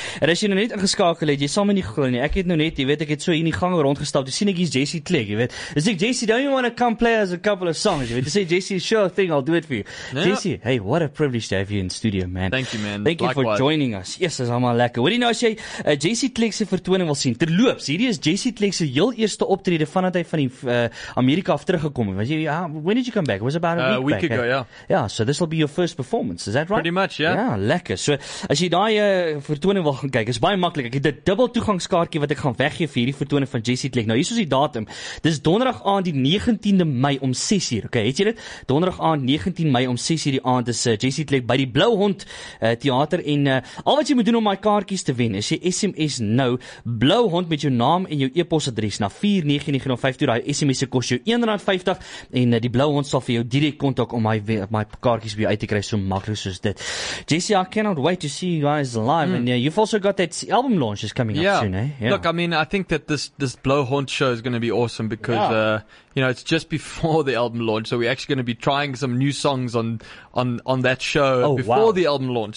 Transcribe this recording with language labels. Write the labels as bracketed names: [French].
[Afrikaans] En as jy nou net ingeskakel het, jy sal my nie geglo nie. Ek het nou net, jy weet, ek het so in die gang rondgestap. Jy sien ek hier's Jesse Tlek, jy weet. Is ek [English] Jesse, don't you want to come play us a couple of songs? [Afrikaans] Jy weet, [English] to say Jesse, sure thing, I'll do it for you. Nee, Jesse, hey, what a privilege to have you in studio, man. Thank you, man. Thank you for joining us. [Afrikaans] Yes, is allemaal lekker. Wat jy nou as jy Jesse Tlek se vertoning wil sien, terloops, hierdie is Jesse Tlek se heel eerste optrede vandat hy van die Amerika af teruggekom het. Was jy, [English] when did you come back? It was about a week ago, yeah. Yeah, so this will be your first performance, is that right? Pretty much, yeah. Yeah, lekker. [Afrikaans] So, as jy daai vertoning wil gaan kyk, is baie maklik. Ek het 'n dubbel toegangskaartjie wat ek gaan weggee vir hierdie vertoning van Jesse Tlek. Nou, hier is die datum. Dis donderdag aand die 19de Mei om 6:00, okay? Het jy dit? Donderdag aand 19 Mei om 6:00 die aand is Jesse Tlek by die Blou Hond teater en al wat jy moet doen om my kaartjies te wen, is jy SMS nou Blou Hond met jou naam en jou e-posadres na 499052. Daai SMS se kos jou R1.50 en die Blou Hond sal vir jou direk kontak om my kaartjies by jou uit te kry, so maklik soos dit. [English] Jesse, I cannot wait to see you guys live. And you've also got that album launch is coming up soon, eh? Yeah. Look, I mean, I think that this Blow Haunt show is going to be awesome because, you know, it's just before the album launch. So we're actually going to be trying some new songs on that show the album launch.